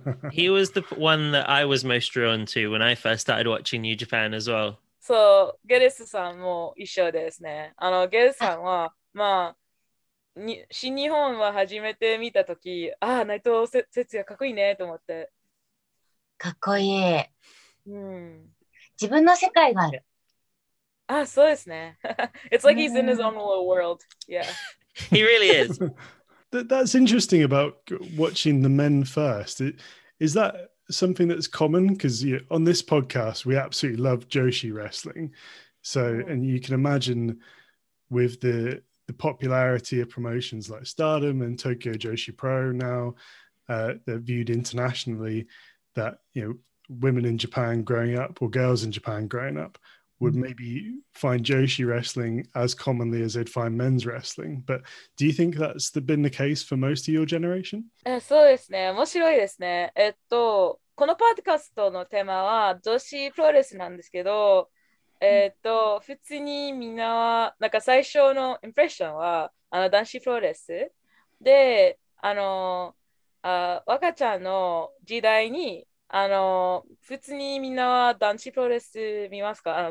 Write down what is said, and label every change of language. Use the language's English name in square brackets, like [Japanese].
[English] He was the one that I was most drawn to when I first started watching New Japan as well. [Japanese] So ゲレスさんも一緒ですね。あの、ゲレスさんは、まあ、新日本は初めて見たとき、ああ、内藤哲也かっこいいねと思って。かっこいい。うん、自分の世界がある。あ、そうですね。 [English] It's like he's in his own little world. Yeah. He really is. That's interesting about watching the men first. Is that something that's common? Because you know, on this podcast, we absolutely love Joshi wrestling. So, and you can imagine with the popularity of promotions like Stardom and Tokyo Joshi Pro now, they're viewed internationally, that, you know, women in Japan growing up or girls in Japan growing up would maybe find Joshi wrestling as commonly as they'd find men's wrestling. But do you think that's been the case for most of your generation? [Japanese] そうですね。面白いですね。このポッドキャストのテーマは女子プロレスなんですけど、普通にみんなは、なんか最初のインプレッションは、男子プロレスで、若ちゃんの時代に、普通にみんなは男子プロレス見ますか？